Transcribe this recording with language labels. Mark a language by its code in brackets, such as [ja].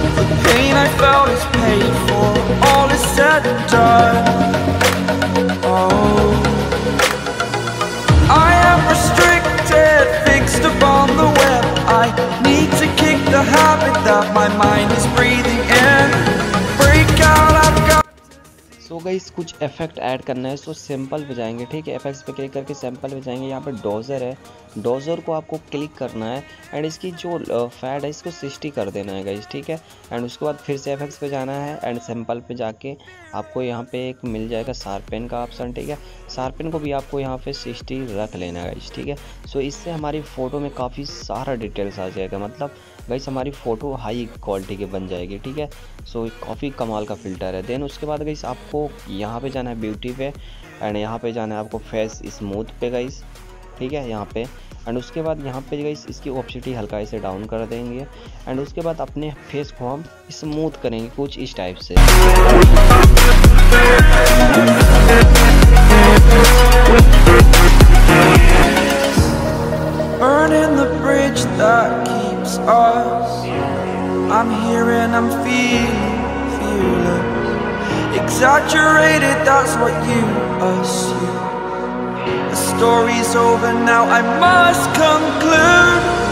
[en] The pain I felt is paid for, all is said and done. Oh, I am restricted, fixed upon the web. I need to kick the habit that my mind is breathing in. Break out, I've got. [hi] तो guys कुछ effect add करना है, सो sample पे जाएंगे, ठीक है। Effects पे click करके सैंपल पे जाएंगे, यहाँ पे डोजर है, डोजर को आपको क्लिक करना है एंड इसकी जो फैड है इसको 60 कर देना है गाइस, ठीक है। एंड उसके बाद फिर से इफेक्ट्स पे जाना है एंड सैंपल पे जाके आपको यहाँ पे एक मिल जाएगा शार्पन का ऑप्शन, ठीक है। शार्पन को भी आपको यहाँ पे 60 रख लेना है गाइस, ठीक है। सो इससे हमारी फ़ोटो में काफ़ी सारा डिटेल्स आ जाएगा, मतलब गाइस हमारी फ़ोटो हाई क्वालिटी की बन जाएगी, ठीक है। सो काफ़ी कमाल का फिल्टर है। देन उसके बाद गाइस आपको यहाँ पे जाना है ब्यूटी पे एंड यहाँ पे जाना है आपको फेस स्मूथ पे गाइस, ठीक है, यहाँ पे। एंड उसके बाद यहाँ पे गाइस इसकी ऑप्सिटी हल्का इसे डाउन कर देंगे एंड उसके बाद अपने फेस को हम स्मूथ करेंगे कुछ इस टाइप से। [en] Burning the bridge that keeps us. I'm here and I'm feeling fearless. Exaggerated, that's what you assume. The story's over now, I must conclude.